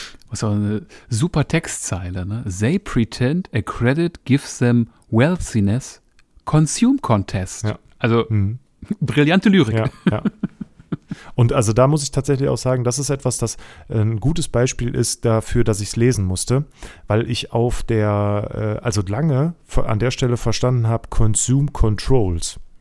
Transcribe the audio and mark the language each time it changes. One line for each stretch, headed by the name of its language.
German: Was auch eine super Textzeile, ne?
English: They pretend a credit gives them wealthiness, consume contest.
German: Ja. Also, brillante Lyrik. Ja, ja. Und also da muss ich tatsächlich auch sagen, das ist etwas, das ein gutes Beispiel ist dafür, dass ich es lesen musste, weil ich auf der, also lange an der Stelle verstanden habe,
English: consume controls.